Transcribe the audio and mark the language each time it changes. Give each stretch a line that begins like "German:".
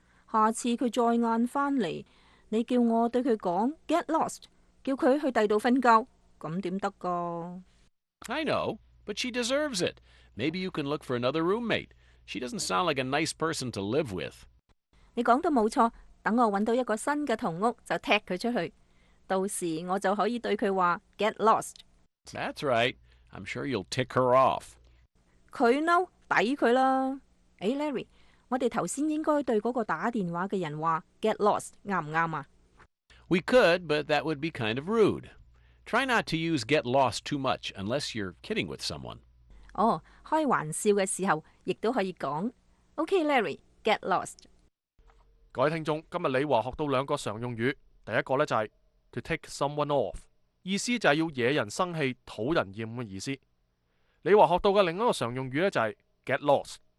Cantonese: 下次佢再晏翻嚟，你叫我对佢讲 get lost， 叫佢去第度瞓觉，咁点得噶
English: ？I know， but she deserves it. Maybe you can look for another roommate. She doesn't sound like a nice person to live with.
Cantonese: 你讲得冇错，等我揾到一个新嘅同屋就踢佢出去，到时我就可以对佢话 get lost。
English: That's right. I'm sure you'll tick her off.
Cantonese: 佢嬲，抵佢啦。诶 ，Larry。我哋头先应该对嗰个打电话嘅人话 get lost， 啱唔啱啊
English: ？We could， but that would be kind of rude. Try not to use get lost too much unless you're kidding with someone.
Cantonese: 哦，开玩笑嘅时候亦都可以讲。
English: OK， Larry， get lost。
Cantonese: 各位听众，今日李华学到两个常用语，第一个咧就系
English: to take someone off，
Cantonese: 意思就系要惹人生气、讨人厌嘅意思。李华学到嘅另一个常用语咧就系 get lost。